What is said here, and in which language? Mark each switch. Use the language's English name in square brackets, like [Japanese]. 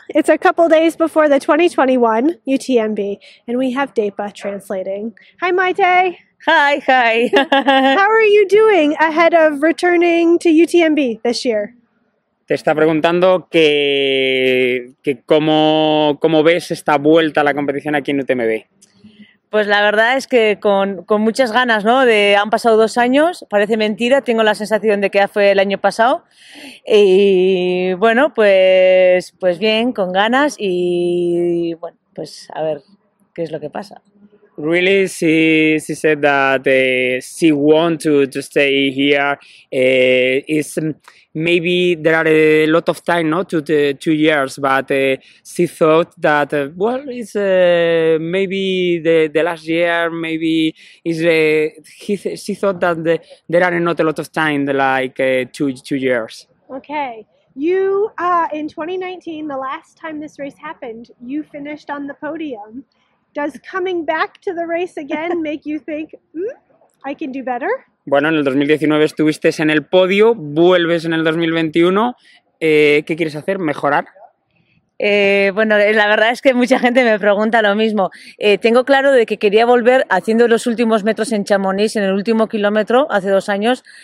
[English] It's a couple days before the 2021 UTMB, and we have DEPA translating. Hi, Maite. Hi. How are you doing ahead of returning to UTMB this year? [Spanish] Te está preguntando que cómo ves esta vuelta a la competición aquí en UTMB. Pues la verdad es que con muchas ganas, ¿no? Han pasado 2 años, parece mentira, tengo la sensación de que ya fue el año pasado. Y bueno, pues bien, con ganas y bueno, pues a ver qué es lo que pasa. [English] Really, she said that she wants to stay here. It's maybe there are a lot of time, no, to the 2 years, but she thought that well, it's maybe the last year, maybe is she thought that there are not a lot of time, like two years. Okay. You, in 2019, the last time this race happened, you finished on the podium. Does coming back to the race again make you think, I can do better? [Spanish] Bueno, en el 2019 estuviste en el podio, vuelves en el 2021. ¿Qué quieres hacer? ¿Mejorar? Bueno, la verdad es que mucha gente me pregunta lo mismo. Tengo claro de que quería volver haciendo los últimos metros en Chamonix, en el último kilómetro, hace 2 años.